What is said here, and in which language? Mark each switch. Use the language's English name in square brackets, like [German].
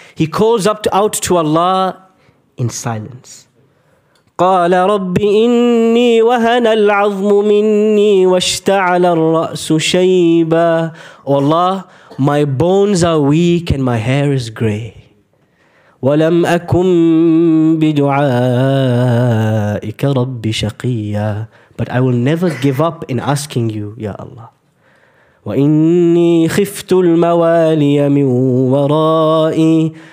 [English] He calls up out to Allah in silence. [Arabic] قال ربي إني وهن العظم مني واشتعل الرأس شيبا. [English] Oh Allah, my bones are weak and my hair is gray. [Arabic] ولم أكن بدعائك ربي شقيا. [English] But I will never give up in asking you, Ya Allah. [Arabic] وَإِنِّي خِفْتُ الْمَوَالِيَ مِنْ وَرَائِي.